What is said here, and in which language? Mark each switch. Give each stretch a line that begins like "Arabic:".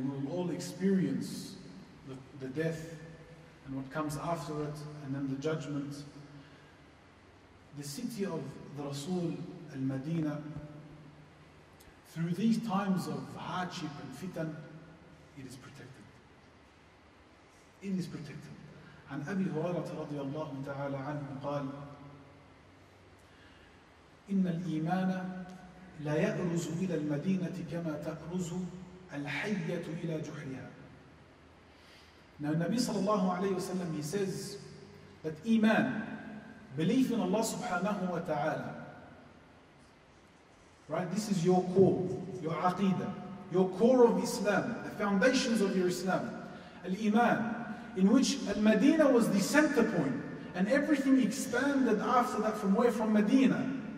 English: all experience the death and what comes after it, and then the judgment, the city of the Rasul Al-Madina, through these times of hardship and fitan, it is protected. It is protected.
Arabic: عن أبي هريرة رضي الله تعالى عنه قال إن الإيمان لا يأرز إلى المدينة كما تأرز الحية إلى جحرها.
English: Now Nabi sallallahu alayhi wa sallam, he says that iman, belief in Allah subhanahu wa ta'ala, right, this is your core, your aqidah, your core of Islam, the foundations of your Islam, al-iman, in which al-Madinah was the center point, and everything expanded after that from where? From Medina.